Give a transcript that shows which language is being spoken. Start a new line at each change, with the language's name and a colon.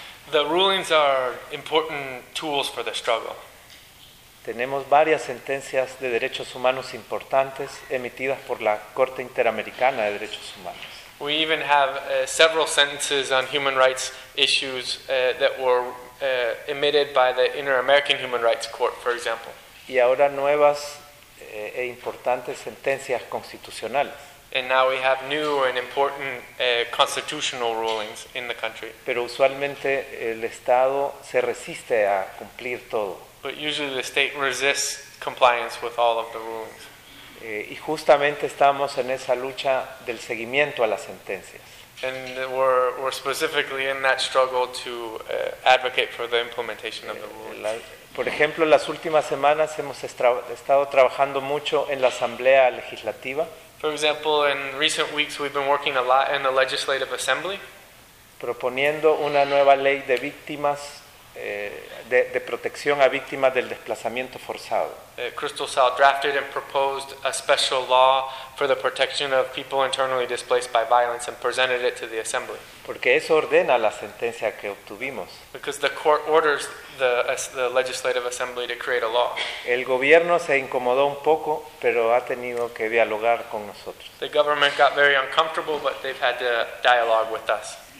English: The rulings are important tools for the struggle.
Spanish: Tenemos varias sentencias de derechos humanos importantes emitidas por la Corte Interamericana de Derechos Humanos.
English: We even have several sentences on human rights issues that were emitted by the Inter-American Human Rights Court, for example.
Spanish: Y ahora nuevas e importantes sentencias constitucionales.
English: And now we have new and important constitutional rulings in the country.
Spanish: Pero usualmente el Estado se resiste a cumplir todo.
English: But usually the state resists compliance with all of the rulings.
Spanish: Y justamente estamos en esa lucha del seguimiento a las sentencias.
English: And we're specifically in that struggle to advocate for the implementation of the rules.
Spanish: Por ejemplo, las últimas semanas hemos estado trabajando mucho en la Asamblea Legislativa.
English: For example, in recent weeks we've been working a lot in the Legislative Assembly.
Spanish: Proponiendo una nueva ley de víctimas, de protección a víctimas del desplazamiento forzado.
English: Crystal Cell drafted and proposed a special law for the protection of people internally displaced by violence and presented it to the Assembly.
Spanish: Porque eso ordena la sentencia que obtuvimos.
English: Because the court orders the Legislative Assembly to create a law.
Spanish: El gobierno se incomodó un poco, pero ha tenido que dialogar con nosotros.
English: The government got very uncomfortable, but they've had to dialogue with us.